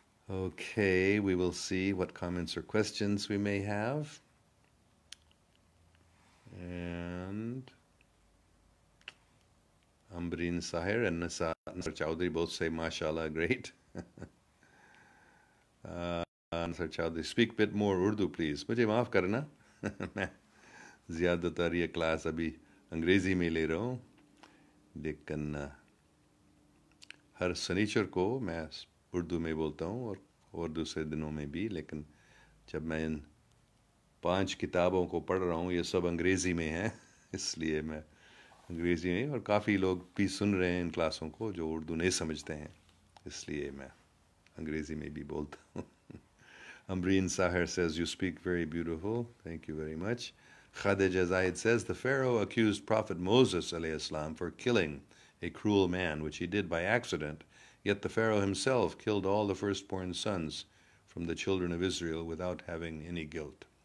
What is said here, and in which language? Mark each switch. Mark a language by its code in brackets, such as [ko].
[en] Okay, we will see what comments or questions we may have. And Ambreen Sahir and Nasar Chaudhary both say, Mashallah, great. Nasar Chaudhary, speak a bit more Urdu, please. [ur] مجھے معاف کرنا۔ زیادت ار یہ class ابھی انگریزی میں لے رہا ہوں۔ لیکن ہر سنیچر کو میں اردو میں بولتا ہوں اور دوسرے دنوں میں بھی۔ لیکن جب میں ان 5 کتابوں کو پڑھ رہا ہوں، یہ سب انگریزی میں ہیں۔ اس لیے میں انگریزی میں، اور کافی لوگ بھی سن رہے ہیں ان کلاسوں کو جو اردو نہیں سمجھتے ہیں۔ اس لیے میں انگریزی میں بھی بولتا ہوں۔ [en] Ambreen Sahir says, you speak very beautiful. Thank you very much. Khadija Zayed says, the Pharaoh accused Prophet Moses, alayhi salam, for killing a cruel man, which he did by accident. Yet the Pharaoh himself killed all the firstborn sons from the children of Israel without having any guilt.